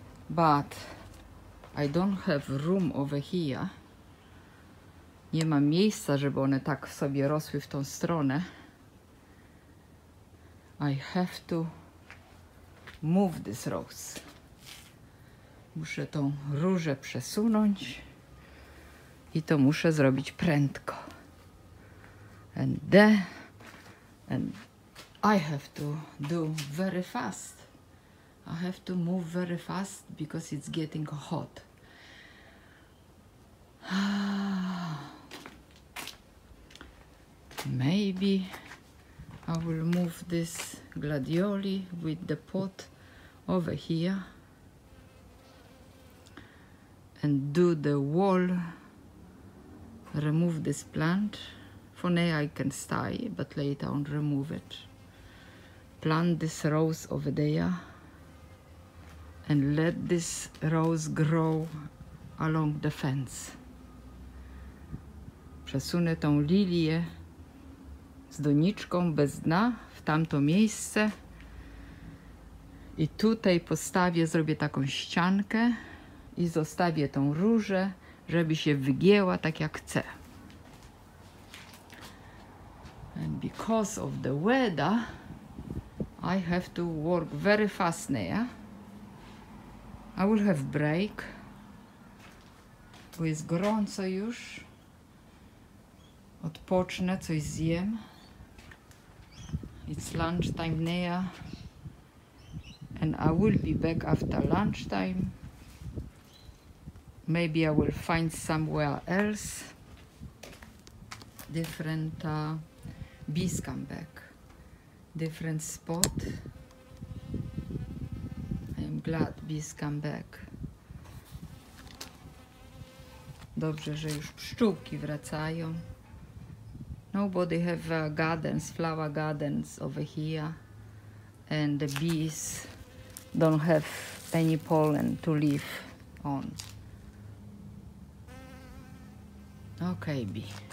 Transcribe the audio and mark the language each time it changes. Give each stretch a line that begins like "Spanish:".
English: But I don't have room over here.
Polish: Nie mam miejsca, żeby one tak sobie rosły w tą stronę.
English: I have to move this rose.
Polish: Muszę tą różę przesunąć i to muszę zrobić prędko.
English: And I have to do very fast. I have to move very fast because it's getting hot. Maybe I will move this gladioli with the pot over here and do the wall, remove this plant. For now I can stay, but later on remove it. Plant this rose over there and let this rose grow along the fence.
Polish: Przesunę tą lilię z doniczką bez dna w tamto miejsce i tutaj postawię, zrobię taką ściankę i zostawię tą różę, żeby się wygięła tak jak chcę.
English: And because of the weather, I have to work very fast now. I will have break,
Polish: bo jest gorąco już. Odpocznę, coś zjem.
English: It's lunchtime near, and I will be back after lunchtime. Maybe I will find somewhere else, different bees come back. different spot. I am glad bees come back.
Polish: Dobrze, że już pszczółki wracają.
English: Nobody have gardens, flower gardens over here. And the bees don't have any pollen to live on. Okay, bee.